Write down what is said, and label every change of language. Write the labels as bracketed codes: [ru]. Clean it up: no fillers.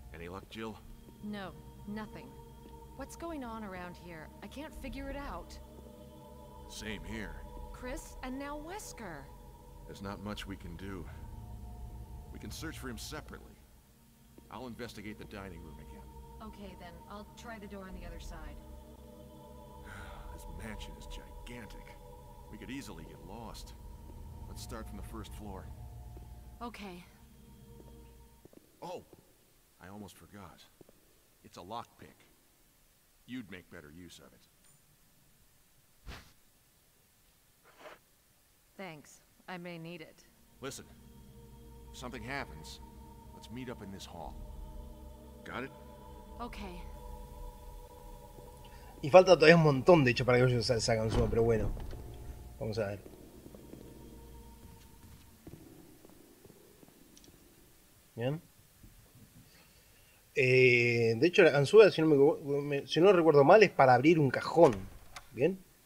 [es] ¿Tiene suerte, Jill? No, nada. ¿Qué está pasando aquí? No puedo encontrarlo. [en] Same here. [es] Chris, y ahora Wesker. No hay mucho que podemos hacer. Podemos buscarlo separadamente. Voy a investigar la sala de comida. [en] Okay, then. I'll try the door on the other side. This mansion is gigantic. We could easily get lost. Let's start from the first floor. Okay. Oh! I almost forgot. It's a lockpick. You'd make better use of it. Thanks. I may need it. Listen. If something happens, let's meet up in this hall. Got it? Okay. [es] Y falta todavía un montón, de hecho, para que ellos salgan su, pero bueno. Vamos a ver. Bien. De hecho, la ganzúa, si no recuerdo mal, es para abrir un cajón. ¿Bien?